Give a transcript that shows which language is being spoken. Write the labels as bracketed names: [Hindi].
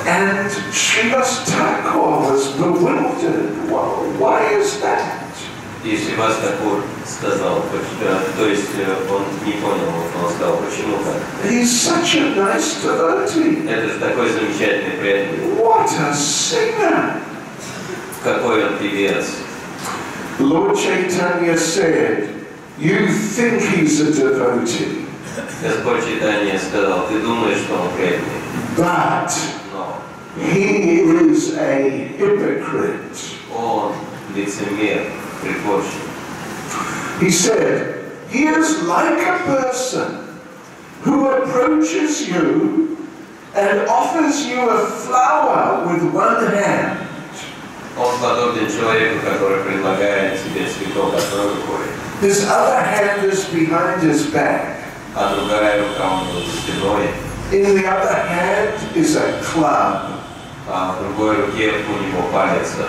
[English] And Shrivas Thakur was bewildered. Well, why is that? [Russian] И Шривас Такур сказал, то есть он не понял, он сказал, почему так. [English] He's such a nice devotee. [Russian] Это такой замечательный преданный. [English] What a singer! [Russian] Какой он певец. [English] Lord Chaitanya said, "You think he's a devotee." [Russian] Господь Чайтанья сказал, ты думаешь, что он преданный. [English] But he is a hypocrite. [Russian] Он лицемер. [English] He said, "He is like a person who approaches you and offers you a flower with one hand." [Russian] Он подобен человеку, который предлагает тебе цветок одной рукой. [English] His other hand is behind his back. [Russian] А другая рука у него за спиной. [English] In the other hand is a club. [Russian] А в другой руке у него палец.